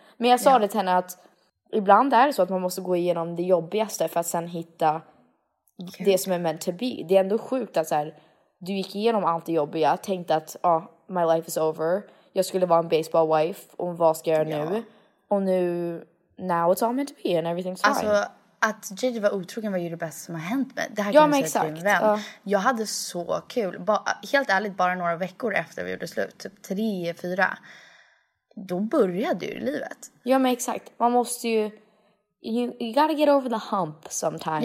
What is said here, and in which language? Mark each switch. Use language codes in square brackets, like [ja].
[sv] Men jag sa det till henne att ibland är det så att man måste gå igenom det jobbigaste för att sen hitta det som är [en] meant to be. [sv] Det är ändå sjukt att så här, du gick igenom allt det jobbiga, tänkte att [en] my life is over. [sv] Jag skulle vara en baseball wife, och vad ska jag göra nu? Och nu, [en] now it's all meant to be and everything's fine. [sv] Alltså, att JJ var otrogen var ju det bästa som har hänt med. Det här kan jag säga till min vän. Jag hade så kul. Helt ärligt, bara några veckor efter vi gjorde slut. Typ 3-4. Då började ju livet. Ja, men exakt. Man måste ju... [en] You gotta get over the hump sometimes.